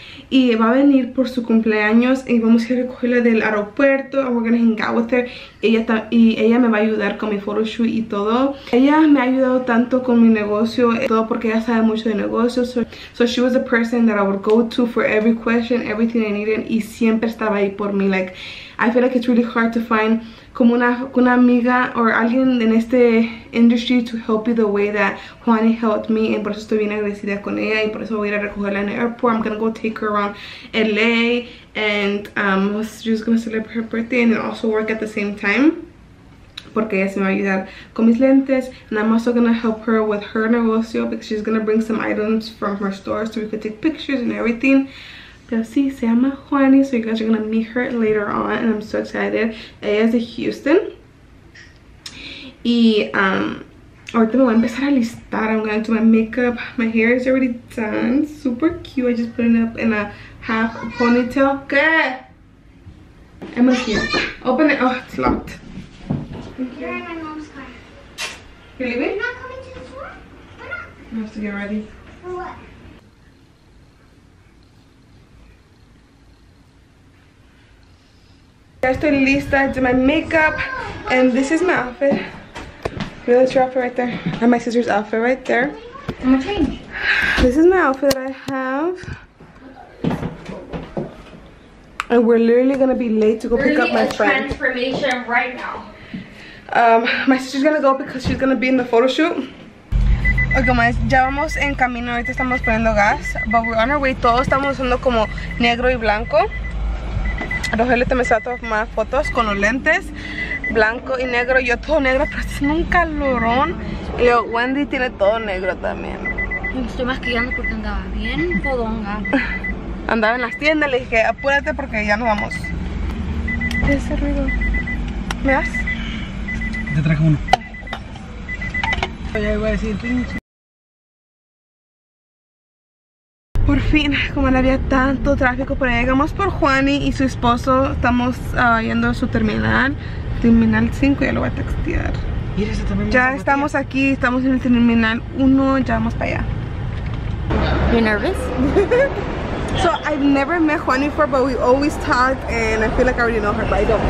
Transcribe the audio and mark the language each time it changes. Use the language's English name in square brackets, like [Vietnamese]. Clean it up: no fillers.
[Spanish] Y va a venir por su cumpleaños y vamos a ir a recogerla del aeropuerto. [English] And we're gonna hang out with her. [Spanish] Ella me va a ayudar con mi photoshoot y todo. Ella me ha ayudado tanto con mi negocio, todo porque ella sabe mucho de negocios. [English] So she was the person that I would go to for every question, everything I needed. [Spanish] Y siempre estaba ahí por mí. [English] Like, I feel like it's really hard to find [Spanish] como una amiga o alguien en este [English] industry to help you the way that Juani helped me. [Spanish] Y por eso estoy bien agradecida con ella y por eso voy a ir a recogerla en el airport. [English] I'm gonna go take her around LA and she's gonna celebrate her birthday and then also work at the same time [Spanish] porque ella se me va a ayudar con mis lentes. [English] And I'm also gonna help her with her negocio because she's gonna bring some items from her store so we could take pictures and everything. [Spanish] Pero sí, se llama Juani, [English] so you guys are gonna meet her later on, and I'm so excited. [Spanish] Ella es de Houston. Y ahorita me voy a empezar a listar. [English] I'm gonna do my makeup. My hair is already done. Super cute. I just put it up in a half ponytail. ¿Qué? Emma, here. Open it. Oh, it's locked. You're in my mom's car. You're leaving? I'm not coming to the store. I have to get ready. For what? [Spanish] Ya estoy lista, [English] I did my makeup, and this is my outfit. Look at your outfit right there, and my sister's outfit right there. I'm gonna change. This is my outfit that I have. And we're literally gonna be late to go pick up my friend. Transformation right now. My sister's gonna go because she's gonna be in the photo shoot. [Spanish] Ok, guys, ya vamos en camino, ahorita estamos poniendo gas. [English] But we're on our way, [Spanish] todos estamos usando como negro y blanco. Rogelio también se va a tomar fotos con los lentes blanco y negro. Yo todo negro, pero es un calorón. Y luego Wendy tiene todo negro también. Me estoy maquillando porque andaba bien podonga. Andaba en las tiendas, le dije apúrate porque ya nos vamos. ¿Qué es ese ruido? ¿Me das? Te traje uno. Oye, voy a decir pinche. Por fin, como no había tanto tráfico, pero llegamos por Juani y su esposo. Estamos yendo a su terminal. Terminal 5, ya lo voy a textear. Ya estamos aquí, estamos en el terminal 1, ya vamos para allá. [English] You nervous? So I've never met Juani before, but we always talk and I feel like I already know her, but I don't.